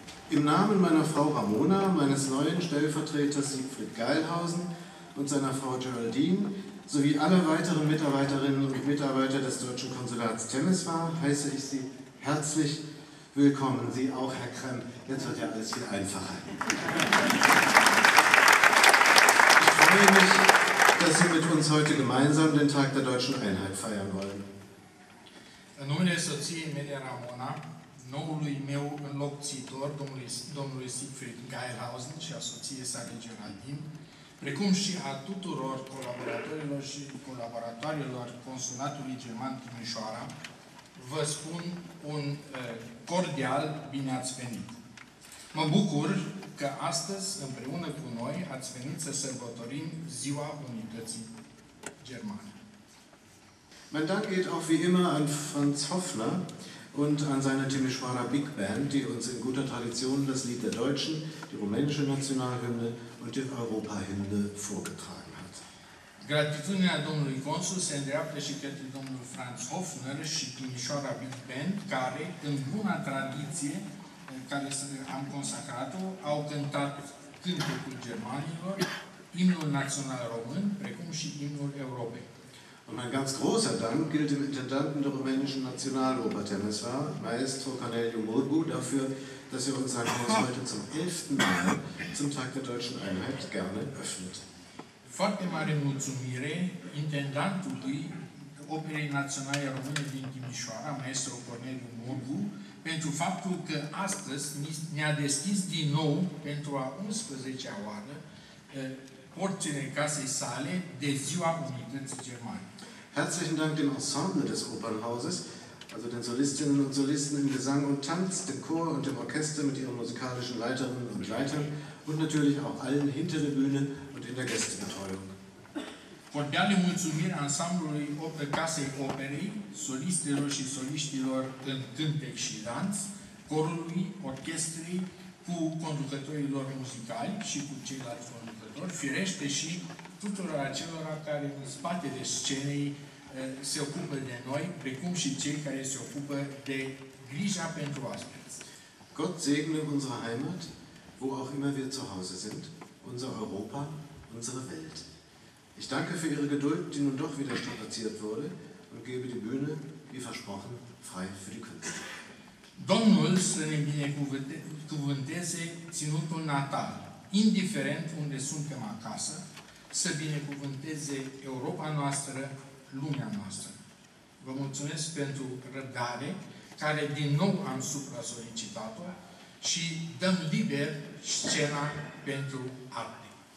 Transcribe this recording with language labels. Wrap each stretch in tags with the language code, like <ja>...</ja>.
<de>Im Namen meiner Frau Ramona, meines neuen Stellvertreters Siegfried Geilhausen und seiner Frau Geraldine, sowie alle weiteren Mitarbeiterinnen und Mitarbeiter des Deutschen Konsulats Temeswar heiße ich Sie herzlich willkommen. Sie auch, Herr Krem. Jetzt wird ja alles viel einfacher. Ich freue mich, dass Sie mit uns heute gemeinsam den Tag der Deutschen Einheit feiern wollen.</de> <ro>Numele soției mele Ramona, noului meu înlocuitor, domnului Siegfried Geilhausen și a soției sale Geraldine, precum și a tuturor colaboratorilor și colaboratoarelor Consulatului German Timișoara, vă spun un cordial bine ați venit. Mă bucur că astăzi, împreună cu noi, ați venit să sărbătorim Ziua Unității Germane.</ro> <de>Mein Dank geht auch wie immer an Franz Hoffner und an seine Timișoara Big Band, die uns in guter Tradition das Lied der Deutschen, die rumänische Nationalhymne und die Europahymne vorgetragen hat.</de> <ro>Gratitudinea domnului consul se îndreaptă și către domnul Franz Hoffner și Timișoara Big Band, care, în buna tradiție care am consacrat-o, au cântat cântecul germanilor, imnul național român, precum și imnul Europei.</ro> <de>Und mein ganz großer Dank gilt dem Intendanten der rumänischen Nationaloper Temeswar, Maestro Corneliu Murgu, dafür, dass er uns sein Haus heute zum 11. Mal zum Tag der Deutschen Einheit gerne öffnet.</de> <ro>Foarte mare mulțumire intendantului Operei Naționale Române din Timișoara, Maestro Corneliu Murgu, pentru faptul că astăzi ne-a deschis din nou pentru a 11-a oară porțile casei sale de Ziua Unității Germane.</ro> <de>Herzlichen Dank dem Ensemble des Opernhauses, also den Solistinnen und Solisten im Gesang und Tanz, dem Chor und dem Orchester mit ihren musikalischen Leiterinnen und Leitern und natürlich auch allen hinter der Bühne und in der Gästebetreuung.</de> <ro>Cordiale mulțumiri ansamblului Casei Operei, solistelor și soliștilor în cântec și dans, corului, orchestrii, cu conducătorilor muzicali și cu ceilalți conducători, firește și tuturor acelora care în spatele scenei se ocupă de noi, precum și cei care se ocupă de grija pentru oaspeți.</ro> <de>Gott segne unsere Heimat, wo auch immer wir zu Hause sind, unsere Europa, unsere Welt. Ich danke für Ihre Geduld, die nun doch wieder strapaziert wurde, und gebe die Bühne, wie versprochen, frei für die Künstler.</de> <ro>Domnul să ne binecuvânteze ținutul natal, indiferent unde suntem acasă, să binecuvânteze Europa noastră, lumea noastră. Vă mulțumesc pentru răbdare, care din nou am supra-solicitat-o și dăm liber scena pentru arte.</ro>